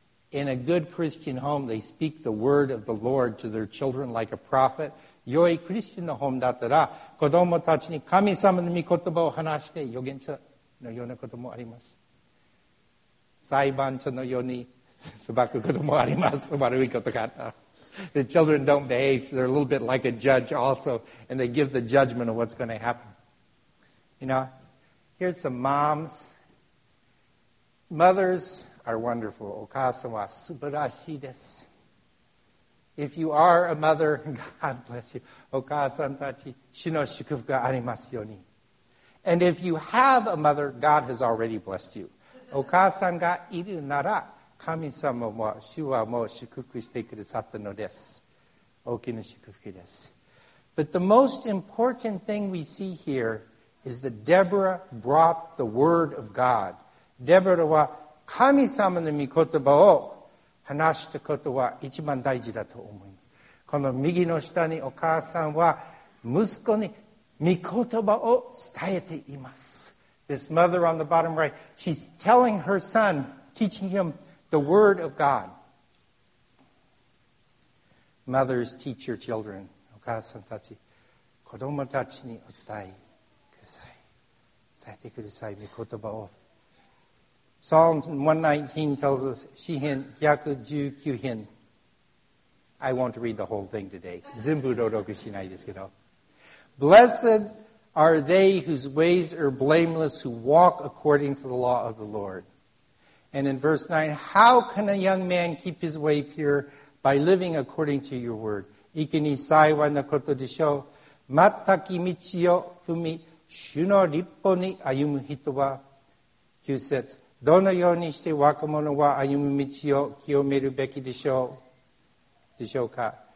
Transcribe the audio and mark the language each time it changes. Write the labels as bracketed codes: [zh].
[en] In a good Christian home, they speak the word of the Lord to their children like a prophet. [ja] 良いクリスチャンのホームだったら、子供たちに神様の御言葉を話して、預言者のようなこともあります。裁判所のように裁くこともあります。悪いことがあった。 [en] The children don't behave, so they're a little bit like a judge also, and they give the judgment of what's going to happen. You know, here's some moms. Mothers are wonderful. [ja] お母さんは素晴らしいです。 [en] If you are a mother, God bless you. [ja] お母さんたち、主の祝福がありますように。 [en] And if you have a mother, God has already blessed you. [ja] お母さんがいるなら、神様も主はもう祝福してくださったのです。大きな祝福です。 [en] But the most important thing we see here is that Deborah brought the word of God. [ja] Deborah は神様の御言葉を話したことは一番大事だと思います。この右の下にお母さんは息子に御言葉を伝えています。 [en] This mother on the bottom right, she's telling her son, teaching him the word of God. Mothers teach your children. [ja] お母さんたち、子供たちにお伝えください。伝えてください、御言葉を。 [en] Psalm 119 tells us, [ja] 詩編119編。 [en] I won't read the whole thing today. [ja] 全部朗読しないですけど。 [en] Blessed are they whose ways are blameless, who walk according to the law of the Lord. And in verse 9, how can a young man keep his way pure? By living according to your word. [ja] 息に幸いなことでしょう。全く道を踏み、主の律法に歩む人は。 9節、どのようにして若者は歩む道を清めるべきでしょう。でしょうか。